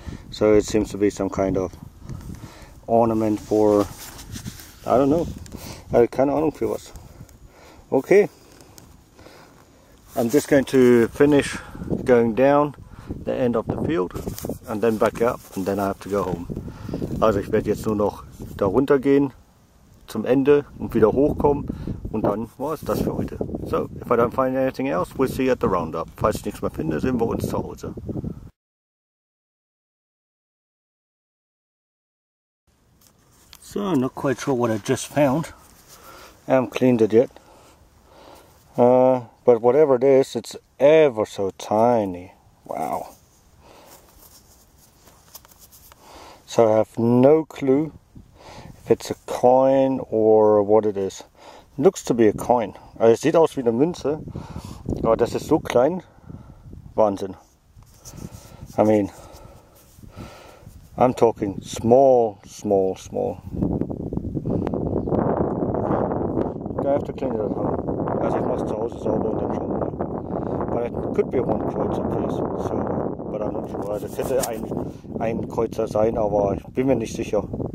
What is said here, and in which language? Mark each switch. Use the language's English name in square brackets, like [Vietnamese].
[English] So it seems to be some kind of ornament for, I don't know, [German] also keine Ahnung für was. [English] Okay, I'm just going to finish going down the end of the field and then back up and then I have to go home. [German] Also ich werde jetzt nur noch da runter gehen zum Ende und wieder hochkommen und dann war es das für heute. [English] So, if I don't find anything else, we'll see you at the roundup. [German] Falls ich nichts mehr finde, sind wir uns zu Hause. [English] So, not quite sure what I just found. I haven't cleaned it yet. But whatever it is, it's ever so tiny. Wow. So I have no clue if it's a coin or what it is. Looks to be a coin. [German] Also es sieht aus wie eine Münze, aber das ist so klein. Wahnsinn. [English] I mean, I'm talking small, small, small. Okay. I have to clean it at home. [German] Also ich mache es zu Hause sauber und dann schon mal. [English] But it could be a one kreuzer piece, so, but I'm not sure. [German] Also es hätte ein Kreuzer sein, aber ich bin mir nicht sicher.